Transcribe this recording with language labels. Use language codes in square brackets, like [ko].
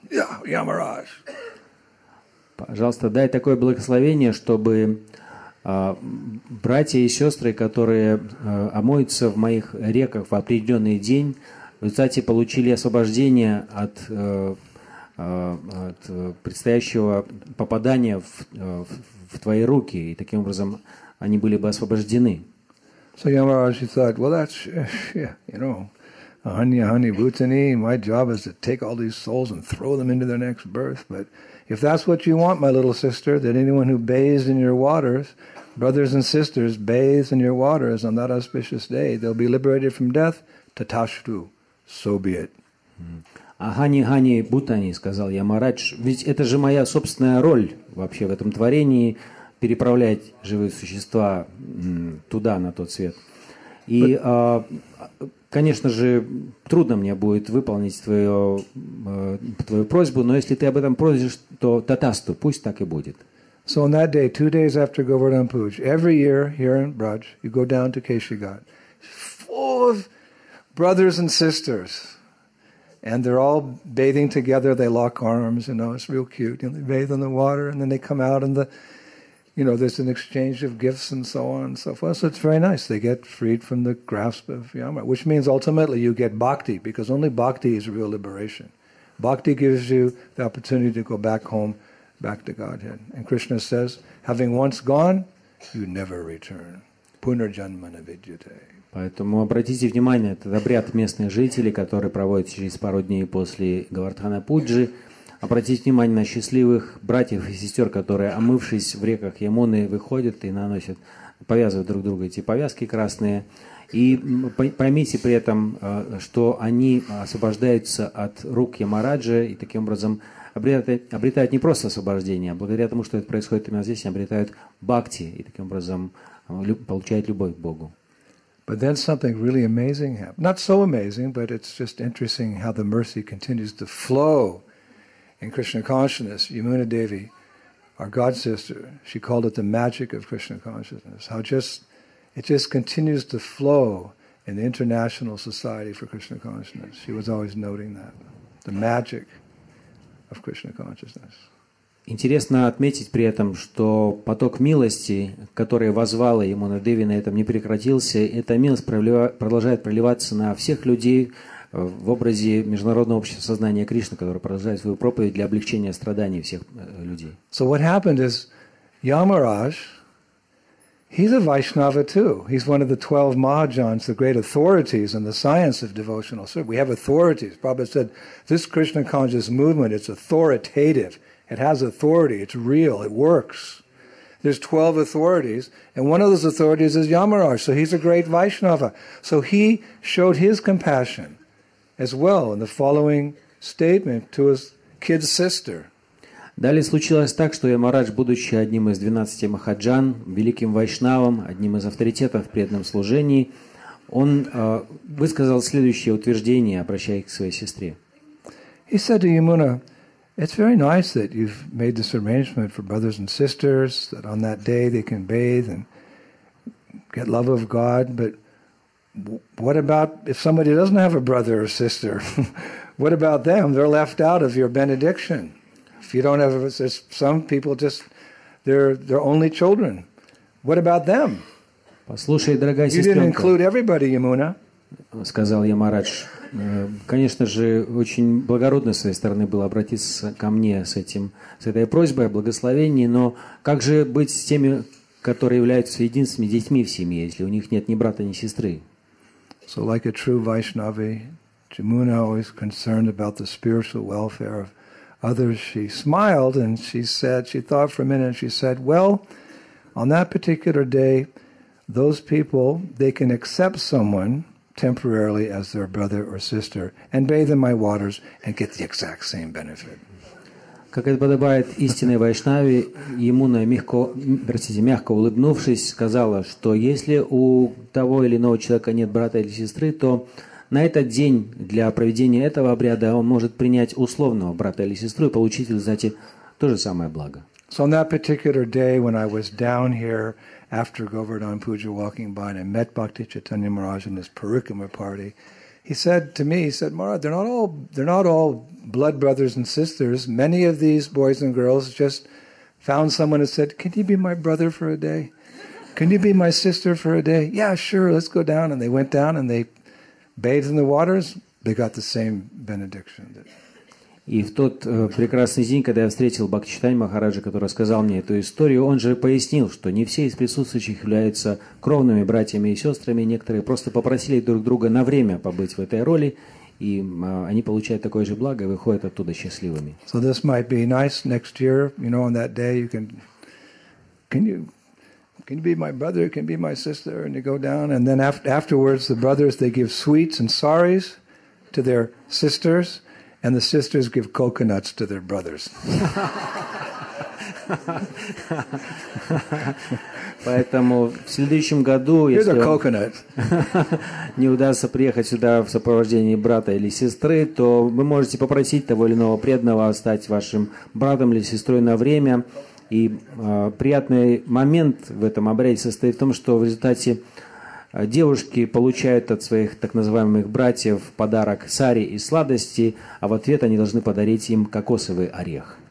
[en] Yeah, Yamaraj. [ru] Пожалуйста, дай такое благословение, чтобы братья и сестры, которые омоются в моих реках в определенный день, в результате получили освобождение от, от предстоящего попадания в твои руки, и таким образом они были бы освобождены. [en] So Yamaraj thought, well, that's, you know, [sa] Ahanya Hani Bhutani, [en] my job is to take all these souls and throw them into their next birth, but if that's what you want, my little sister, that anyone who bathes in your waters, brothers and sisters, bathes in your waters on that auspicious day, they'll be liberated from death, tatashtu, so be it. [sa] Ахани, хани, бутани, [ru] сказал Ямарадж, ведь это же моя собственная роль вообще в этом творении, переправлять живые существа туда, на тот свет. И, конечно же, трудно мне будет выполнить твою просьбу, но если ты об этом просишь, то татасту, пусть так и будет. [en] So on that day, 2 days after Govardhan Puja, every year here in Braj, you go down to Keshigat, full of brothers and sisters, and they're all bathing together, they lock arms, you know, it's real cute, you know, they bathe in the water, and then they come out, and the, you know, there's an exchange of gifts and so on and so forth. So it's very nice. They get freed from the grasp of Yama, which means ultimately you get bhakti, because only bhakti is real liberation. Bhakti gives you the opportunity to go back home, back to Godhead. And Krishna says, having once gone, you never return. [sa] Пунарджанмана виджате. [ru] Поэтому обратите внимание, этот обряд местных жителей, который проводится через пару дней после Говардхана Пуджи, обратите внимание на счастливых братьев и сестер, которые, омывшись в реках Ямуны, выходят и наносят, повязывают друг друга эти повязки красные. И поймите при этом, что они освобождаются от рук Ямараджа и таким образом обретают не просто освобождение, а благодаря тому, что это происходит именно здесь, они обретают бхакти и таким образом получают любовь к Богу. [en] But then something really amazing happened. Not so amazing, but it's just interesting how the mercy continues to flow in Krishna consciousness. Yamuna Devi, our God sister, she called it the magic of Krishna consciousness. How just it just continues to flow in the International Society for Krishna Consciousness. She was always noting that. The magic of Krishna consciousness. [ru] Интересно отметить при этом, что поток милости, который воззвала Ямуна Деви, на этом не прекратился. Эта милость продолжает проливаться на всех людей в образе Международного общества сознания Кришны, которое продолжает свою проповедь для облегчения страданий всех людей. [en] So what happened is, Yamaraj, he's a Vaishnava too. He's one of the 12 Mahajans, the great authorities in the science of devotional service. We have authorities. Prabhupada said, this Krishna conscious movement, it's authoritative. It has authority. It's real. It works. There's 12 authorities, and one of those authorities is Yamaraj. So he's a great Vaishnava. So he showed his compassion as well in the following statement to his kid sister. [ru] Далее случилось так, что Ямарадж, будучи одним из 12 махаджан, великим вайшнавом, одним из авторитетов в преданном служении, он высказал следующее утверждение, обращаясь к своей сестре. [en] He said to Yamuna, it's very nice that you've made this arrangement for brothers and sisters, that on that day they can bathe and get love of God, but what about if somebody doesn't have a brother or sister? What about them? They're left out of your benediction. If you don't have, there's some people just, they're only children. What about them? [ru] Послушай, дорогая сестренка. [en] You didn't include everybody, Yamuna. [ru] Сказал Ямарадж. Конечно же, очень благородно с своей стороны было обратиться ко мне с этой просьбой о благословении, но как же быть с теми, которые являются единственными детьми в семье, если у них нет ни брата, ни сестры? [en] So like a true Vaishnavi, Yamuna always concerned about the spiritual welfare of others. She smiled and she said, she thought for a minute and she said, well, on that particular day, those people, they can accept someone temporarily as their brother or sister and bathe in my waters and get the exact same benefit. [ru] Как это подобает истинной вайшнаве, ему мягко улыбнувшись, сказала, что если у того или иного человека нет брата или сестры, то на этот день для проведения этого обряда он может принять условного брата или сестру и получить в результате то же самое благо. [en] So on that particular day, when I was down here after Govardhan Puja, walking by, and I met Bhakti Chaitanya Maharaj in his Parikrama party, he said to me, he said, Maharaj, they're not all blood brothers and sisters. Many of these boys and girls just found someone and said, can you be my brother for a day? Can you be my sister for a day? Yeah, sure, let's go down. And they went down and they bathed in the waters. They got the same benediction. [ru] И в тот прекрасный день, когда я встретил Бхактичитани Махараджа, который рассказал мне эту историю, он же пояснил, что не все из присутствующих являются кровными братьями и сестрами. Некоторые просто попросили друг друга на время побыть в этой роли, и они получают такое же благо и выходят оттуда счастливыми. [en] So this might be nice next year, you know, on that day you can you be my brother, can be my sister, and you go down, and then afterwards the brothers they give sweets and saris to their sisters. And the sisters give coconuts to their brothers. [ru] Поэтому в следующем году, если не удастся приехать сюда в сопровождении брата или сестры, то вы можете попросить того или иного преданного стать вашим братом или сестрой на время. И приятный момент в этом обряде состоит в том, что в результате девушки получают от своих так называемых братьев в подарок сари и сладости, а в ответ они должны подарить им кокосовый орех.